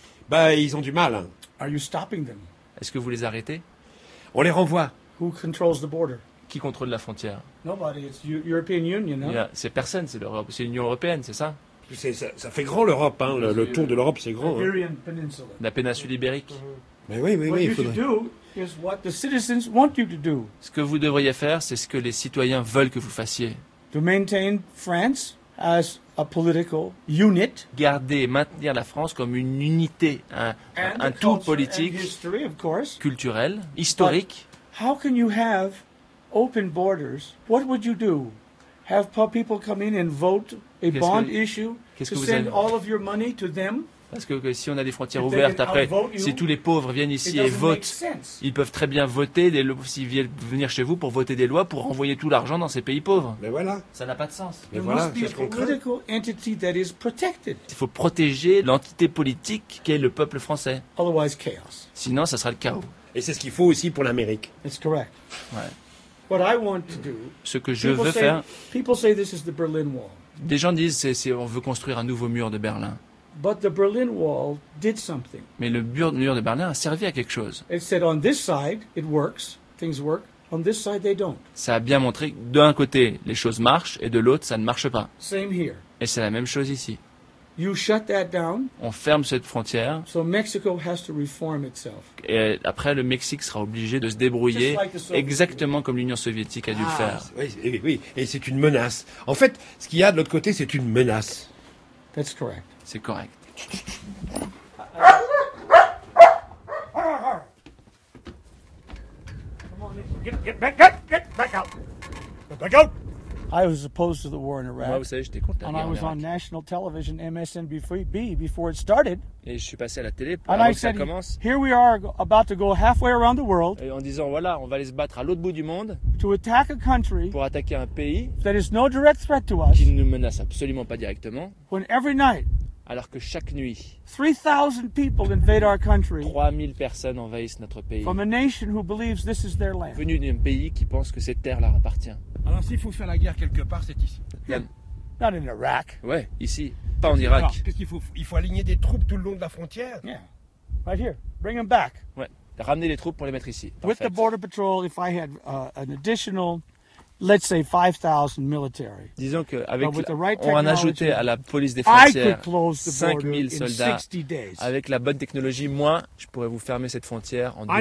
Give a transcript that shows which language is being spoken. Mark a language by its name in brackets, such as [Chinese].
[French] Ils ont du mal. [English] Are you stopping them? [French] Est-ce que vous les arrêtez? On les renvoie. [English] Who controls the border? [French] Qui contrôle la frontière? [English] Nobody, it's European Union, no? [French] Yeah, c'est personne, c'est l'Europe, c'est l'Union Européenne, c'est ça? Ça fait grand l'Europe, hein, le tour de l'Europe, c'est grand. [English] Iberian Peninsula. [French] La péninsule ibérique. Mais oui, il faudrait... [English] Is what the citizens want you to do. [French] Ce que vous devriez faire, c'est ce que les citoyens veulent que vous fassiez. [English] To maintain France as a political unit. [French] Garder, maintenir la France comme une unité, un tout politique, [English] history, of course. [French] Culturel, historique. [English] But how can you have open borders? What would you do? Have people come in and vote a bond issue to send all of your money to them? [French] Parce que si on a des frontières ouvertes, après, si tous les pauvres viennent ici et votent, ils peuvent très bien voter, s'ils viennent venir chez vous pour voter des lois, pour envoyer tout l'argent dans ces pays pauvres. Mais voilà. Ça n'a pas de sens. Mais voilà, c'est ce qu'on craint. Il faut protéger l'entité politique qu'est le peuple français. [English] Otherwise, chaos. [French] Sinon, ça sera le chaos. Et c'est ce qu'il faut aussi pour l'Amérique. [English] That's correct. [French] Ouais. [English] What I want to do, [French] ce que je veux faire... [English] People say this is the Berlin Wall. [French] Des gens disent c'est on veut construire un nouveau mur de Berlin. [English] But the Berlin Wall did something. [French] Mais le mur de Berlin a servi à quelque chose. [English] It said on this side it works, things work. On this side they don't. [French] Ça a bien montré que d'un côté les choses marchent et de l'autre ça ne marche pas. [English] Same here. [French] Et c'est la même chose ici. [English] You shut that down. [French] On ferme cette frontière. [English] So Mexico has to reform itself. [French] Et après, le Mexique sera obligé de se débrouiller exactement comme l'Union soviétique a dû le faire. Oui, et c'est une menace. En fait, ce qu'il y a de l'autre côté, c'est une menace. [English] That's correct. [French] C'est correct. [English] I was opposed to the war in Iraq. [French] Moi, vous savez, j'étais contre la guerre en Irak. [English] was on national television, MSNBC, before it started. [French] Et je suis passé à la télé avant que ça commence. [English] Here we are about to go halfway around the world. [French] Et en disant voilà, on va aller se battre à l'autre bout du monde. [English] To attack a country. [French] Pour attaquer un pays. [English] That is no direct threat to us. [French] Qui ne nous menace absolument pas directement. [English] When every night. [French] Alors que chaque nuit, [English] 3,000 people invade our country. [French] 3,000 personnes envahissent notre pays. [English] From a nation who believes this is their land. [French] Venu d'un pays qui pense que cette terre leur appartient. Alors s'il faut faire la guerre quelque part, c'est ici. [English] Not in Iraq. [French] Ouais, ici, pas en Irak. Alors, qu'est-ce qu'il faut ? Il faut aligner des troupes tout le long de la frontière. [English] Yeah. Right here. Bring them back. [French] Ouais, ramener les troupes pour les mettre ici. Parfait. [English] With the border patrol, if I had an additional, let's say 5,000 military. [French] Disons que avec right on en ajoutait à la police des frontières 5,000 soldats. Avec la bonne technologie, moi, je pourrais vous fermer cette frontière en 2 mois.